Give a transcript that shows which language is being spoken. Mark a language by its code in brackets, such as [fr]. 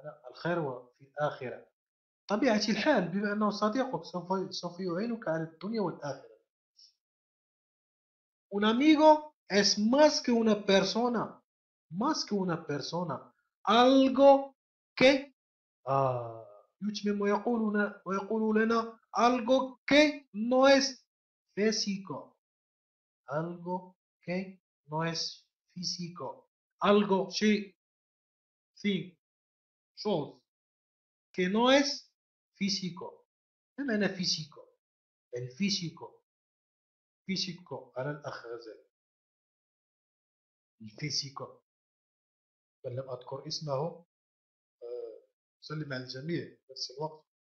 [ar] الخير في الآخرة، طبيعة الحال، بما أنه صديقك سوف يعينك على الدنيا والآخرة. [es] Un amigo es más que una persona, más que una persona, algo que [ar] يتمم ويقول لنا [es] algo que no es físico, algo que no es físico, algo شيء [en] thing [es] شوز que no es físico. [ar] ما معنى físico؟ الفيزيكو، فيزيكو على الأخ غزال، الفيزيكو، بل لم أذكر اسمه، سلم على الجميع نفس الوقت،